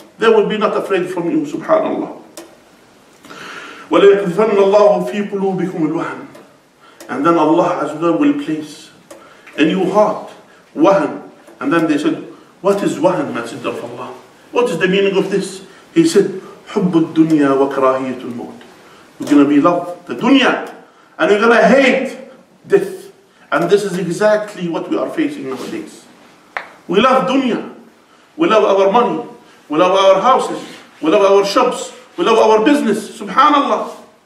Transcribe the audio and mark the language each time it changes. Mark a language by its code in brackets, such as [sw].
[en] They will be not afraid from you, subhanAllah. [ar] وَلَيَكْذِفَنَّ اللَّهُ فِي قُلُوبِكُمُ الْوَهَمْ. [en] And then Allah Azza wa Jal will place in your heart wahan. And then they said, what is wahan, Messenger of Allah? What is the meaning of this? He said, [ar] حُبُّ الدُّنْيَا وَكْرَاهِيَةُ الْمَوْتِ. [en] You're going to be loved the dunya, and you're going to hate death. And this is exactly what we are facing nowadays. We love dunya. We love our money. We love our houses. We love our shops. We love our business. SubhanAllah.